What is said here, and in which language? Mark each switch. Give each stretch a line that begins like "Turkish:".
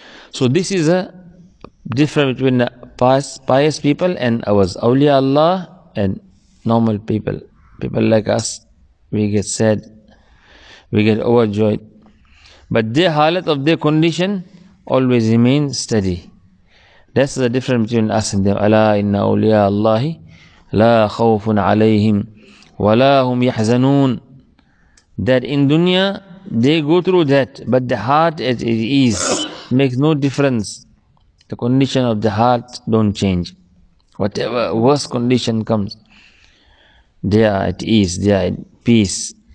English: So this is a difference between the pious people and ours, awliya Allah and normal people. People like us, we get sad, we get overjoyed. But their halat of their condition always remains steady. That's the difference between us and them.
Arabic: Ala inna awliya Allahi لا خوف عليهم ولا هم يحزنون.
English: That in dunya they go through that, but the heart at ease, makes no difference. The condition of the heart don't change. Whatever worst condition comes, they are at ease, they are at peace.